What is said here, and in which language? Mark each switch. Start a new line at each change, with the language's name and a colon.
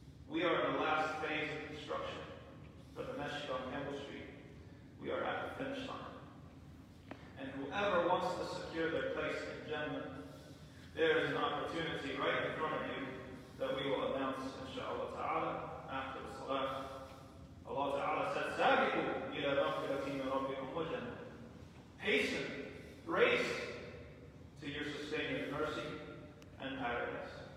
English: We are in the last phase of construction for the masjid on Campbell Street. We are at the finish line. And whoever wants to secure their place in Jannah, there is an opportunity right in front of you that we will announce, inshallah ta'ala, after the salah. Allah ta'ala said,
Arabic: سَابِقُوا إِلَى مَغْفِرَةِ مِنْ رَبِّكُمْ وَجَنَّةٍ.
English: Hasten, race to your sustaining of mercy and paradise.